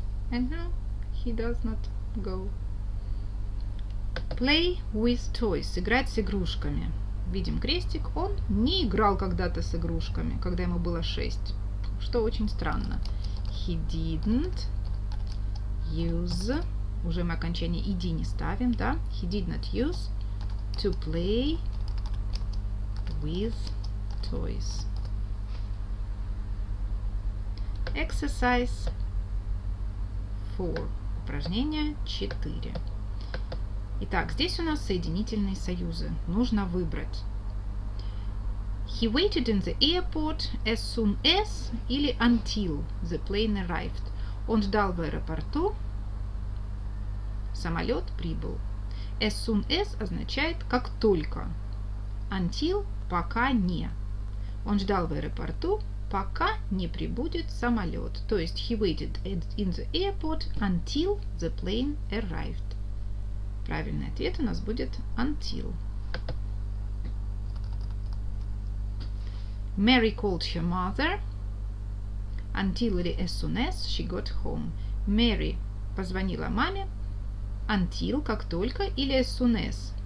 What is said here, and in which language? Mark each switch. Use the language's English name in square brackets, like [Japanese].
[English] And now he does not go. Play with toys. [Russian] Играть с игрушками. Видим крестик. Он не играл когда-то с игрушками, когда ему было 6. Что очень странно. [English] He didn't use... [Russian] Уже мы окончание ed не ставим, да? [English] He did not use to play with toys. Exercise 4. [Russian] Упражнение 4. Итак, здесь у нас соединительные союзы. Нужно выбрать. [English] He waited in the airport as soon as или until the plane arrived. [Russian] Он ждал в аэропорту. Самолет прибыл. As soon as означает как только. Until пока не. Он ждал в аэропорту, пока не прибудет самолет. То есть [English] he waited in the airport until the plane arrived. [Russian] Правильный ответ у нас будет until. [English] Mary called her mother until или as soon as she got home. [Russian] Mary позвонила маме until, как только, или as soon as.